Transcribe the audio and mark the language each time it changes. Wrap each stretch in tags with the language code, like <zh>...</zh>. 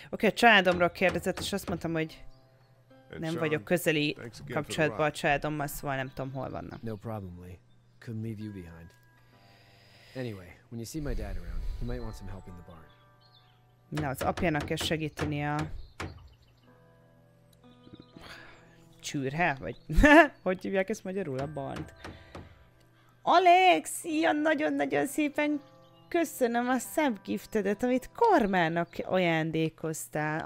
<hu>Oké, a családomról kérdezett, és azt mondtam, hogy nem vagyok közeli kapcsolatban a családommal, szóval nem tudom, hol vannak.</hu> <en>No problem, Lee. Couldn't leave you behind. Anyway, when you see my dad around, he might want some help in the barn.</en> <hu>Na, az apjának kell segíteni a... csűrhe? Vagy... hogy hívják ezt magyarul? A barnt. Alex! Ja, nagyon-nagyon szépen köszönöm a szebb giftedet, amit Karmának ajándékoztál.</hu>